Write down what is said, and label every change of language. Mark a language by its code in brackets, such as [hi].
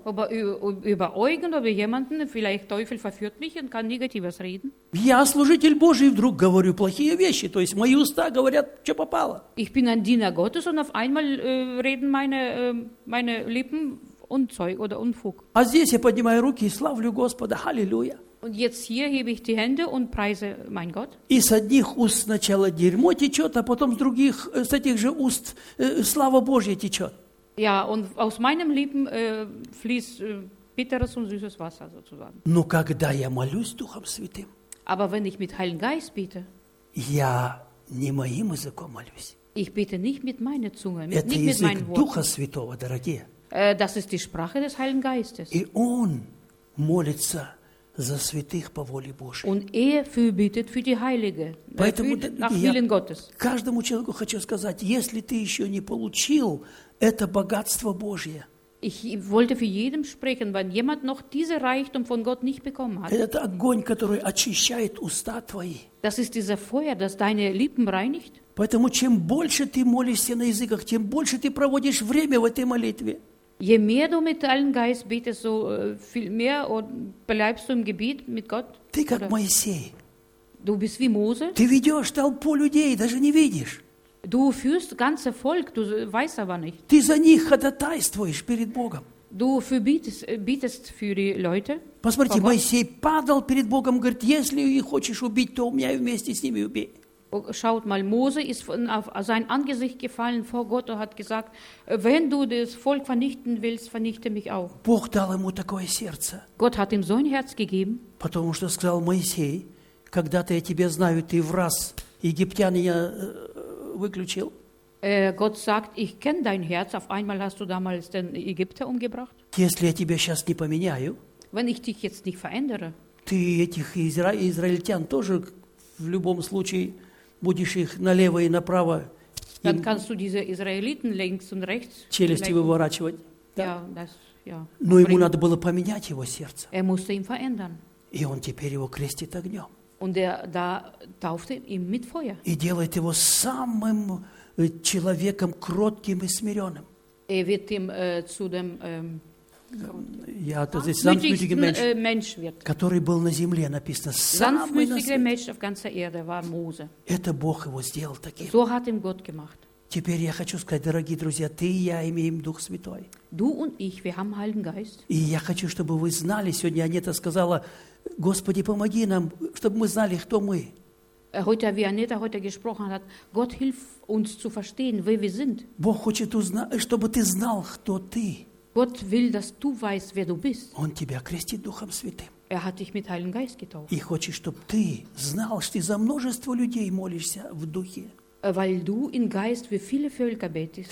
[de] Über Eugen, über jemanden, vielleicht Teufel verführt mich und kann Negatives reden. [ru] Я служитель Божий, вдруг говорю плохие вещи, то есть мои уста говорят, что попало. [de] Ich bin ein Diener Gottes und auf einmal reden meine Lippen Unzeug oder Unfug. [ru] А здесь я поднимаю руки и славлю Господа, аллилуйя. [de] Und jetzt hier hebe ich die Hände und preise mein Gott. [ru] И с одних уст сначала дерьмо течет, а потом с других, с этих же уст, слава Божья течет. [de] Ja, und aus meinem Lippen fließt bitteres und süßes Wasser sozusagen. [ru] Но когда я молюсь Духом Святым, [de] aber wenn ich mit Heiligen Geist bete, [ru] я не моим языком молюсь. [de] Ich bete nicht mit meiner Zunge, [ru] это [de] nicht [ru] язык [de] mit meinen Worten. [ru] Духа Святого, дорогие. [de] Das ist die Sprache des Heiligen Geistes. [ru] И он молится за святых по воле Божьей. [de] Und fürbittet für die Heilige. [ru] Поэтому [de] nach Willen Gottes. [ru] Каждому человеку хочу сказать, если ты еще не получил это богатство Божье. [de] Ich wollte für jeden sprechen, wenn jemand noch diese Reichtum von Gott nicht bekommen hat. [ru] Этот огонь, который очищает уста твои. [de] Das ist dieser Feuer, das deine Lippen reinigt. [ru] Поэтому чем больше ты молишься на языках, тем больше ты проводишь время в этой молитве. [de] Je mehr du mit deinem Geist betest, so viel mehr bleibst du im Gebet mit Gott. [ru] Ты как Моисей. [de] Du bist wie Mose. [ru] Ты ведешь толпу людей, даже не видишь. [de] Du führst ganze Volk, du weißt aber nicht. [ru] Ты за них ходатайствуешь перед Богом. [de] Du betest für die Leute. [ru] Посмотрите, Моисей падал перед Богом, говорит, если их хочешь убить, то у меня вместе с ними убей. [de] Schaut mal, Mose ist auf sein Angesicht gefallen vor Gott und hat gesagt, wenn du das Volk vernichten willst, vernichte mich auch. [ru] Бог дал ему такое сердце. [de] Gott hat ihm so ein Herz gegeben. [ru] Потому что сказал Моисей, когда-то я тебя знаю, ты в раз египтян я выключил. [de] Gott sagt, ich kenne dein Herz, auf einmal hast du damals den Ägypter umgebracht. [ru] Если я тебя сейчас не поменяю, [de] wenn ich dich jetzt nicht verändere, [ru] ты этих израильтян тоже в любом случае будешь их налево и направо [de] dann kannst du diese Israeliten links und rechts [ru] челюсти выворачивать. Да? Yeah, das, yeah. Но ему надо было поменять его сердце. [de] Er musste ihn verändern. [ru] И он теперь его крестит огнем. [de] Und da taufte ihn mit Feuer. [ru] И делает его самым человеком кротким и смиренным. [de] Er wird ihm zu dem Ja, das ist sanftmütiger Mensch, wird. [ru] Который был на земле, написано, [de] sanftmütiger Mensch auf ganzer Erde war Mose. [ru] Это Бог его сделал таким. [de] So hat ihn Gott gemacht. [ru] Теперь я хочу сказать, дорогие друзья, ты и я имеем Дух Святой. [de] Du und ich, wir haben Heiligen Geist. [ru] И я хочу, чтобы вы знали, сегодня Анета сказала, Господи, помоги нам, чтобы мы знали, кто мы. [de] Heute, wie Anita heute gesprochen hat, Gott hilf uns zu verstehen, wer wir sind. [ru] Бог хочет, чтобы ты знал, кто ты. [de] Gott will, dass du weißt, wer du bist. [ru] Он тебя крестит Духом Святым. [de] Er hat dich mit Heiligen Geist getauft. [ru] И хочет, чтобы ты знал, что ты за множество людей молишься в Духе. [de] Weil du in Geist für viele Völker betest.